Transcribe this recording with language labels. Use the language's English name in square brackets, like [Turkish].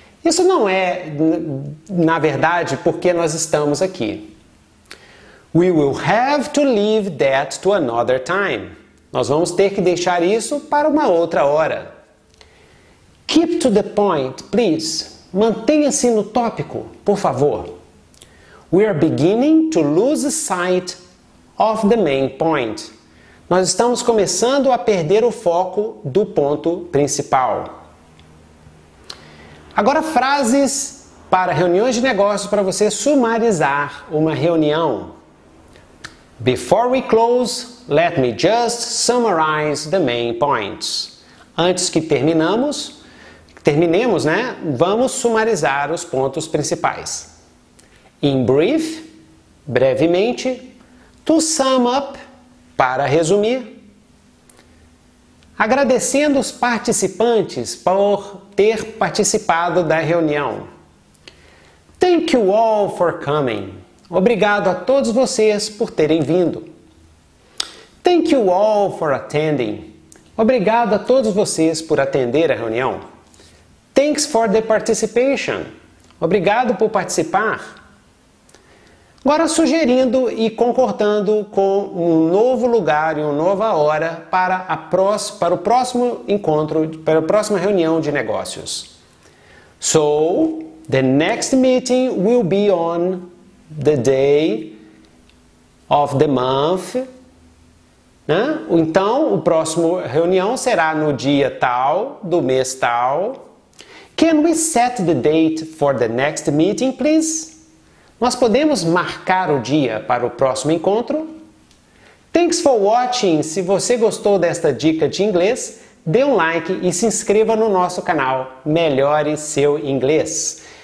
[Portuguese] Isso não é, na verdade, porque nós estamos aqui. [English] We will have to leave that to another time. [Portuguese] Nós vamos ter que deixar isso para uma outra hora. [English] Keep to the point, please. [Portuguese] Mantenha-se no tópico, por favor. [English] We are beginning to lose sight of the main point. [Portuguese] Nós estamos começando a perder o foco do ponto principal. Agora, frases para reuniões de negócios para você sumarizar uma reunião. [English] Before we close, let me just summarize the main points. [Portuguese] Antes que terminemos, né? Vamos sumarizar os pontos principais. [English] In brief, [Portuguese] brevemente. [English] To sum up, [Portuguese] para resumir. Agradecendo os participantes por ter participado da reunião. [English] Thank you all for coming. [Portuguese] Obrigado a todos vocês por terem vindo. [English] Thank you all for attending. [Portuguese] Obrigado a todos vocês por atender a reunião. [English] Thanks for the participation. [Portuguese] Obrigado por participar. Agora sugerindo e concordando com um novo lugar e uma nova hora para o próximo encontro, para a próxima reunião de negócios. [English] So, the next meeting will be on the day of the month, né? [Portuguese] Então, o próximo reunião será no dia tal, do mês tal. [English] Can we set the date for the next meeting, please? [Portuguese] Nós podemos marcar o dia para o próximo encontro? [English] Thanks for watching. [Portuguese] Se você gostou desta dica de inglês, dê um like e se inscreva no nosso canal Melhore Seu Inglês.